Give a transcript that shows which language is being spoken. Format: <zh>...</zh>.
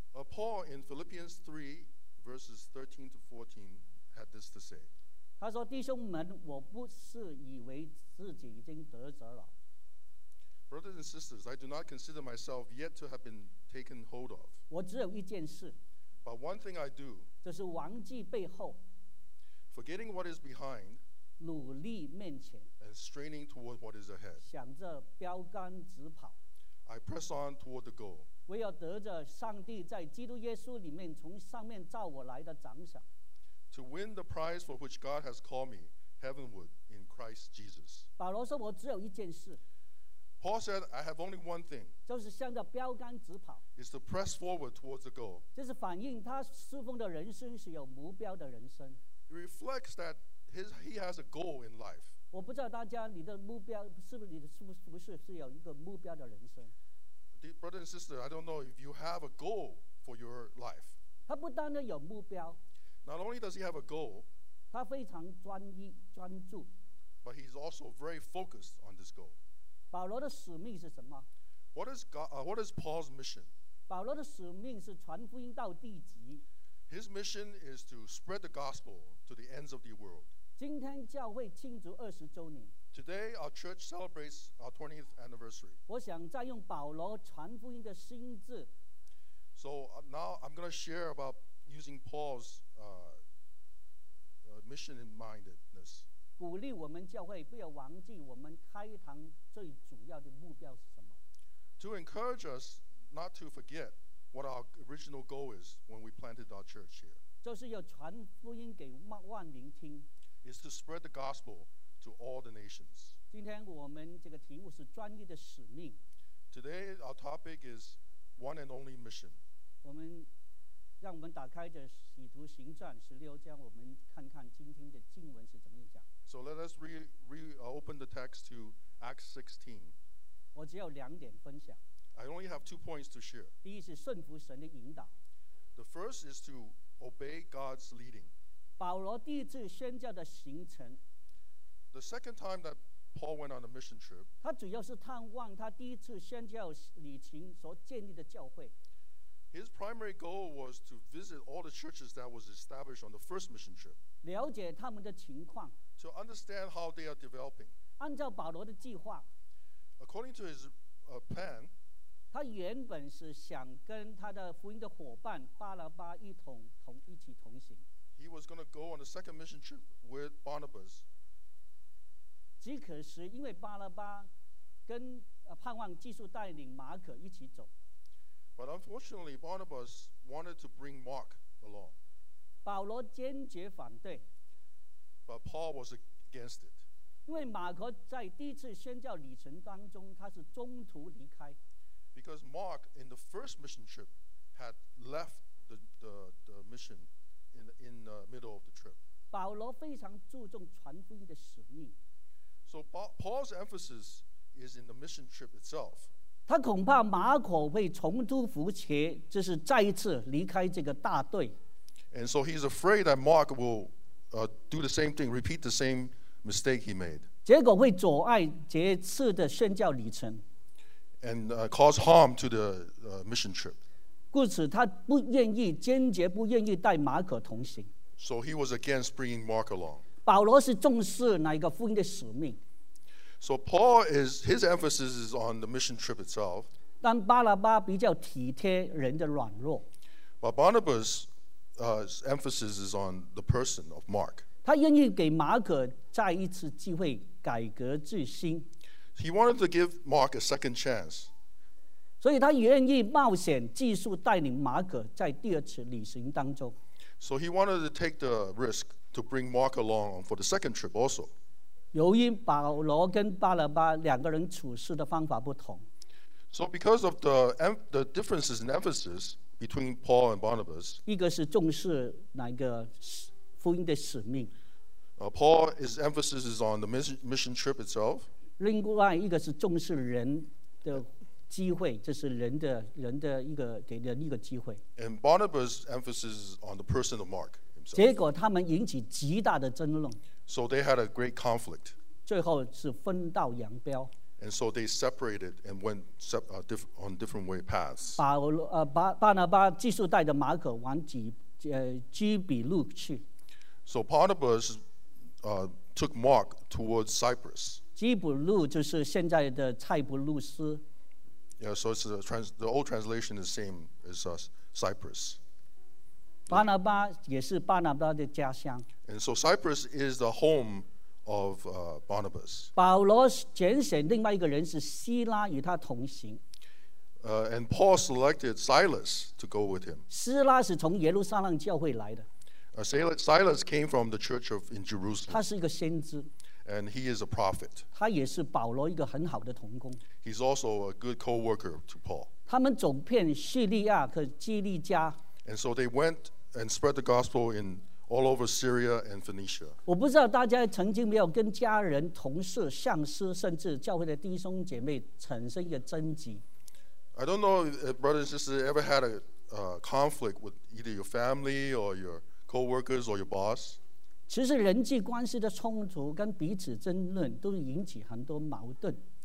<en>Paul in Philippians 3 verses 13 to 14 had this to say.</en> <zh>他说弟兄们我不是以为自己已经得着了</zh> <en>Brothers and sisters, I do not consider myself yet to have been taken hold of.</en> <zh>我只有一件事</zh> <en>But one thing I do,</en> <zh>就是忘记背后</zh> <en>forgetting what is behind,</en> <zh>努力面前</zh> <en>and straining toward what is ahead.</en> <zh>想着标杆直跑</zh> <en>I press on toward the goal.</en> <zh>我要得着上帝在基督耶稣里面从上面召我来的奖赏</zh> <en>To win the prize for which God has called me heavenward in Christ Jesus.</en> <zh>保罗说我只有一件事</zh> <en>Paul said, I have only one thing.</en> <zh>就是向着标杆直跑</zh> <en>It's to press forward towards the goal.</en> <zh>这是反映他侍奉的人生是有目标的人生</zh> <en>It reflects thatHe has a goal in life.</en> <zh>我不知道大家你的目标是不是你是不是是有一个目标的人生。</zh> <en>Dear brother and sister, I don't know if you have a goal for your life.</en> <zh>他不单的有目标。</zh> <en>Not only does he have a goal.</en> <zh>他非常专一专注。</zh> <en>But he's also very focused on this goal.</en> <zh>保罗的使命是什么</zh> <en>？What is God? What is Paul's mission?</en> <zh>保罗的使命是传福音到地极。</zh> <en>His mission is to spread the gospel to the ends of the world.</en> <zh>今天教会庆祝二十周年。</zh> <en>Today our church celebrates our 20th anniversary.</en> <zh>我想再用保罗传福音的心智。</zh> <en>So now I'm going to share about using Paul's mission-mindedness.</en> <zh>鼓励我们教会不要忘记我们开堂最主要的目标是什么。</zh> <en>To encourage us not to forget. What our original goal is when we planted our church here.</en> <zh>就是要传福音给万民听。</zh> <en>Is to spread the gospel to all the nations.</en> <zh>今天我们这个题目是专一的使命。</zh> <en>Today our topic is one and only mission.</en> <zh>我们让我们打开着使徒行传十六章，我们看看今天的经文是怎么讲。</zh> <en>So let us reopen the text to Acts 16.</en> <zh>我只有两点分享。</zh> <en>I only have two points to share.</en> <zh>第一是顺服神的引导。</zh> <en>The first is to obey God's leading.</en> <zh>保罗第一次宣教的行程。</zh> <en>The second time that Paul went on a mission trip.</en> <zh>他主要是探望他第一次宣教旅行所建立的教会。</zh> <en>His primary goal was to visit all the churches that was established on the first mission trip.</en> <zh>了解他们的情况。</zh> <en>To understand how they are developing.</en> <zh>按照保罗的计划。</zh> <en>According to his plan.</en> <zh>他原本是想跟他的福音的伙伴巴拿巴一起同行。</zh> <en>He was going to go on a second mission trip with Barnabas.</en> <zh>只可是因为巴拿巴跟盼望继续带领马可一起走。</zh> <en>But unfortunately, Barnabas wanted to bring Mark along.</en> <zh>保罗坚决反对。</zh> <en>But Paul was against it.</en> <zh>因为马可在第一次宣教旅程当中，他是中途离开。</zh> <en>Because Mark in the first mission trip had left the mission in the middle of the trip.</en> <zh>保罗非常注重传福音的使命。</zh> <en>So Paul's emphasis is in the mission trip itself.</en> <zh>他恐怕马可会重蹈覆辙，这是再一次离开这个大队。</zh> <en>And so he's afraid that Mark will do the same thing, repeat the same mistake he made.</en> <zh>结果会阻碍这次的宣教旅程。</zh> <en>And cause harm to the mission trip.</en> <zh>故此他不愿意，坚决不愿意带马可同行。</zh> <en>So he was against bringing Mark along.</en> <zh>保罗是重视哪一个福音的使命。</zh> <en>So Paul is, his emphasis is on the mission trip itself.</en> <zh>但巴拉巴比较体贴人的软弱。</zh> <en>But Barnabas, emphasis is on the person of Mark.</en> <zh>他愿意给马可再一次机会改革自新。</zh> <en>He wanted to give Mark a second chance.</en> <zh>所以他愿意冒险继续带领马可在第二次旅行当中。</zh> <en>So he wanted to take the risk to bring Mark along for the second trip also.</en> <zh>由于保罗跟巴拉巴两个人处事的方法不同。</zh> <en>So because of the differences in emphasis between Paul and Barnabas.</en> <zh>一个是重视哪个福音的使命。</zh> <en>Paul's emphasis is on the mission trip itself.</en> <zh>另外一个是重视人的机会，这是人的一个给人一个机会。</zh> <en>And Barnabas' emphasis is on the person of Mark himself.</en> <zh>结果他们引起极大的争论。</zh> <en>So they had a great conflict.</en> <zh>最后是分道扬镳。</zh> <en>And so they separated and went on different way paths.</en> <zh>巴拿巴继续带着马可往基比路去。</zh> <en>So Barnabas took Mark towards Cyprus.</en> <zh>基比路就是现在的塞浦路斯。</zh> <en>Yeah, so it's the old translation is the same as Cyprus.</en> <zh>巴拿巴也是巴拿巴的家乡。</zh> <en>And so Cyprus is the home of Barnabas.</en> <zh>保罗拣选另外一个人是希拉与他同行。</zh> <en>And Paul selected Silas to go with him.</en> <zh>希拉是从耶路撒冷教会来的。</zh> <en>Silas came from the church in Jerusalem.</en> <zh>他是一个先知。</zh> <en>And he is a prophet.</en> <zh>他也是保罗一个很好的同工。</zh> <en>He's also a good co-worker to Paul.</en> <zh>他们走遍叙利亚和基利加。</zh> <en>And so they went and spread the gospel in all over Syria and Phoenicia.</en> <zh>我不知道大家曾经没有跟家人、同事、上司，甚至教会的弟兄姐妹产生一个争执。</zh> <en>I don't know if brothers and sisters ever had a conflict with either your family or your co-workers or your boss.</en> <zh>其实人际关系的冲突跟彼此争论都引起很多矛盾。</zh>